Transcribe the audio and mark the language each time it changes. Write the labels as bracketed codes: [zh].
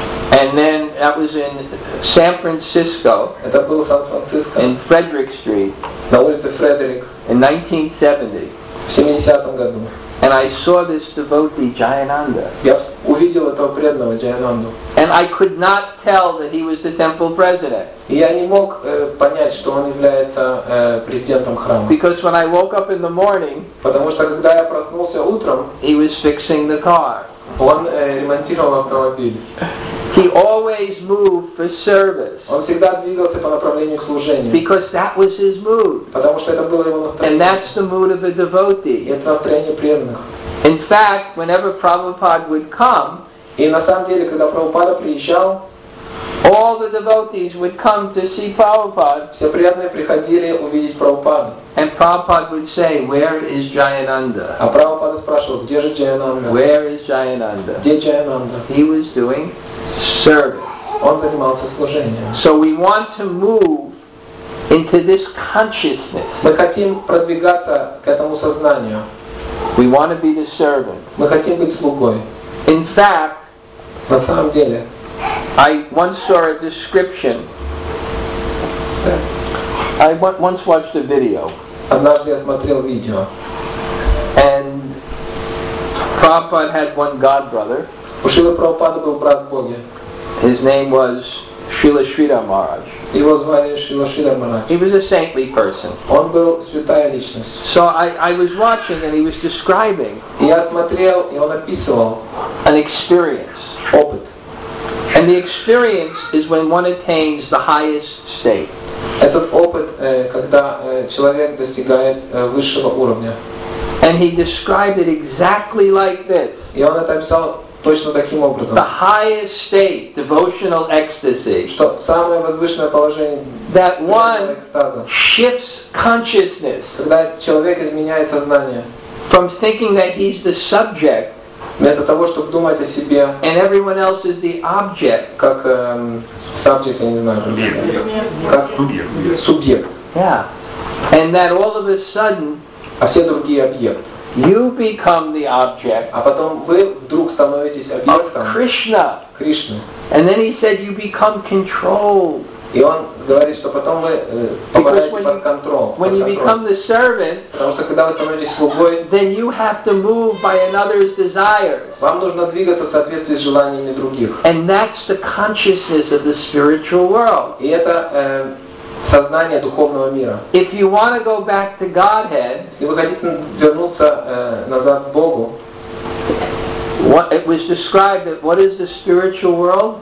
[en] And then that was in San Francisco. [ru] Это был Сан-Франциско. [en] In Frederick Street. [ru] На улице Фредерик. [en] In 1970. [ru] В 70-м году. [en] And I saw this devotee Jayananda. [ru] Я увидел этого преданного Джаянанду. [en] And I could not tell that he was the temple president. [ru] Я не мог понять, что он является президентом храма. [en] Because when I woke up in the morning, [ru] потому что когда я проснулся утром, [en] he was fixing the car. [ru] Он ремонтировал автомобиль. [en] He always moved for service. [ru] Он всегда двигался по направлению к служению. [en] Because that was his mood. [ru] Потому что это было его настроение. [en] And that's the mood of a devotee. [ru] И это настроение преданных. [en] In fact, whenever Prabhupada would come, [ru] и на самом деле, когда Прабхупада приезжал, [en] all the devotees would come to see Prabhupada. [ru] Все преданные приходили увидеть Прабхупаду. [en] And Prabhupada would say, "Where is Jayananda?" [ru] А Прабхупада спрашивал, где же Джаянанда? [en] Where is Jayananda? [ru] Где Джаянанда? [en] He was doing service. [ru] Он занимался служением. [en] So we want to move into this consciousness. [ru] Мы хотим продвигаться к этому сознанию. [en] We want to be the servant. [ru] Мы хотим быть слугой. [en] In fact, [ru] на самом деле, [en] I once saw a description. I once watched a video. [ru] Однажды я смотрел видео. [en] And Prabhupada had one godbrother. [ru] У Шрилы Прабхупады был брат в Боге. [en] His name was Srila Sridhar Maharaj. [ru] Его звали Шрила Шридхар Махарадж. [en] He was a saintly person. [ru] Он был святая личность. [en] So I was watching and he was describing. [ru] Я смотрел и он описывал. [en] An experience. [ru] Опыт. [en] And the experience is when one attains the highest state. [ru] Этот опыт, когда человек достигает высшего уровня. [en] And he described it exactly like this. [ru] И он это описал точно таким образом. [en] The highest state, devotional ecstasy. [ru] Что самое возвышенное положение. [en] That one shifts consciousness. [ru] Когда человек изменяет сознание. [en] From thinking that he's the subject. [ru] Вместо того, чтобы думать о себе. [en] And everyone else is the object. [ru] Как subject, я не знаю. Субъект. Субъект. [en] Yeah. And that all of a sudden. [ru] А все другие объекты. [en] You become the object. [ru] А потом вы вдруг становитесь объектом. [en] Of Krishna. [ru] Кришны. [en] And then he said, you become controlled. [ru] И он говорит, что потом вы попадаете под контроль. [en] When you become the servant, [ru] потому что когда вы становитесь слугой, [en] then you have to move by another's desires. [ru] Вам нужно двигаться в соответствии с желаниями других. [en] And that's the consciousness of the spiritual world. [ru] И это сознание духовного мира. [en] If you want to go back to Godhead, [ru] если вы хотите вернуться назад к Богу, [en] what it was described that what is the spiritual world?